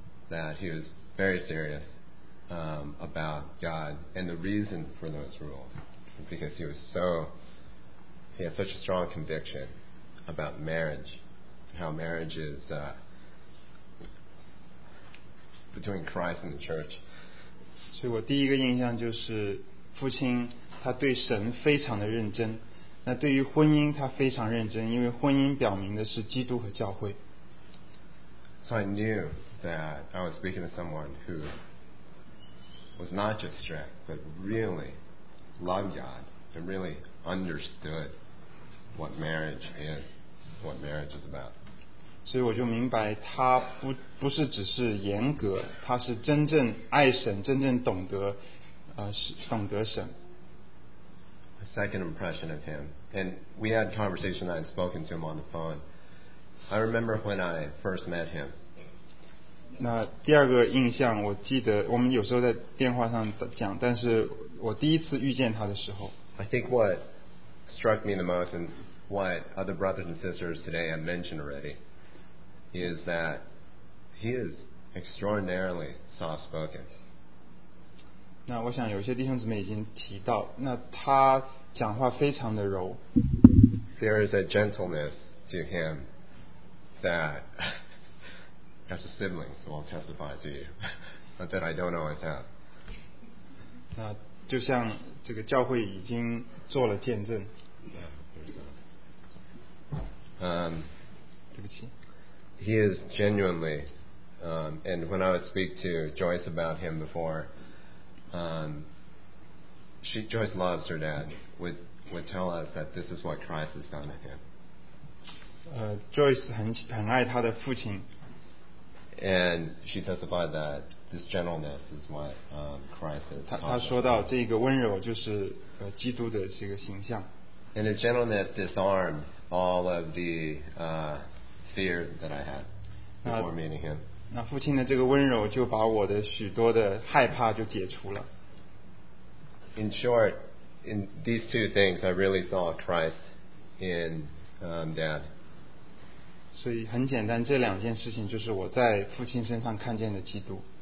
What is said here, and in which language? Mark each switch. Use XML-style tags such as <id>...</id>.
<en>that he was very serious about God and the reason for those rules, because he had such a strong conviction about marriage, how marriage is between Christ and the church.</en> <zh>所以我第一个印象就是父亲他对神非常的认真，那对于婚姻他非常认真，因为婚姻表明的是基督和教会。</zh> <en>So I knew that I was speaking to someone who was not just strict but really loved God and really understood what marriage is, what marriage is about.</en> <zh>所以我就明白他不是只是严格，他是真正爱神，真正懂得懂得神。</zh> <en>A second impression of him, and we had a conversation, I had spoken to him on the phone. I remember when I first met him.</en> <zh>那第二个印象，我记得我们有时候在电话上讲，但是我第一次遇见他的时候。</zh> <en>I think what struck me the most and what other brothers and sisters today have mentioned alreadyis that he is extraordinarily soft-spoken.</en> <zh>那我想有些弟兄姊妹已经提到，那他讲话非常的柔。</zh> <en>There is a gentleness to him that, as a sibling, so I'll testify to you, that I don't always have.</en> <zh>那就像这个教会已经做了见证。对不起。</zh> <en>He is genuinely, and when I would speak to Joyce about him before, Joyce loves her dad, would tell us that this is what Christ has done to him.</en> <zh>Joyce 很爱他的父亲。</zh> <en>And she testified that this gentleness is what Christ has taught him.</en> <zh>他说到这个温柔就是基督的这个形象。</zh> <en>And his gentleness disarmed all of the... fear that I had before meeting him.</en> <zh>那父亲的这个温柔就把我的许多的害怕就解除了。</zh> <en>In short, in these two things, I really saw Christ in dad.</en> <zh>所以很简单，这两件事情就是我在父亲身上看见的基督。</zh>